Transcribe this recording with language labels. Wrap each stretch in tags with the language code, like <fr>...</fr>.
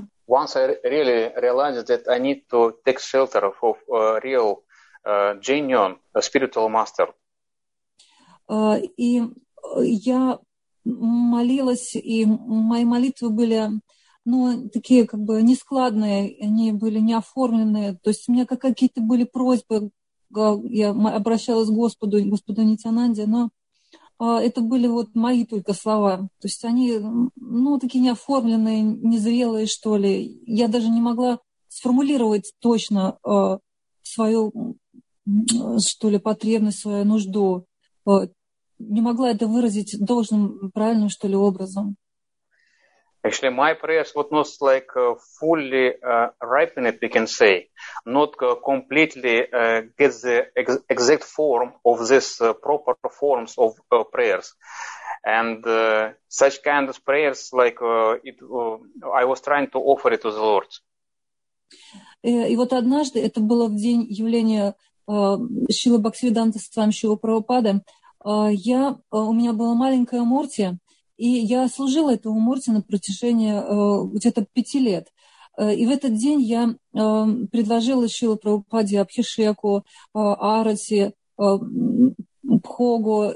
<en>Once I really realized that I need to take shelter of a real genuine a spiritual master.</en> <ru>И я молилась, и мои молитвы были, ну, такие как бы нескладные, они были неоформленные. То есть у меня какие-то были просьбы, я обращалась к Господу, Господу Нитянанде, но это были вот мои только слова. То есть они, ну, такие неоформленные, незрелые, что ли. Я даже не могла сформулировать точно свою, что ли, потребность, свою нужду. Не могла это выразить должным, правильным, что ли, образом.</ru> <en>Actually, my prayers were not like fully ripened, we can say, not completely get the exact form of this proper forms of prayers. And such kind of prayers, like I was trying to offer it to the Lord.</en> <ru>И вот однажды, это было в день явления Шрилы Бхактивиданты Свами Шрилы Прабхупады, у меня была маленькая мурти, и я служила этому мурти на протяжении где-то 5 лет. И в этот день я предложила Шрилы Прабхупаде Абхишеку, Арати, Пхогу.</ru>